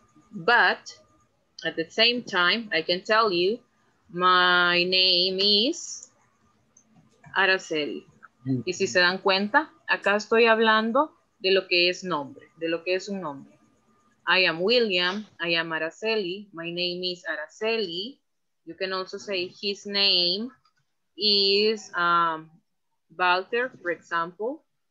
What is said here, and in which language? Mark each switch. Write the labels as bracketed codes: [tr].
[en] But, at the same time, I can tell you, my name is Araceli. [es] Y si se dan cuenta, acá estoy hablando de lo que es nombre, de lo que es un nombre. [en] I am William, I am Araceli, my name is Araceli. You can also say his name is Walter, for example.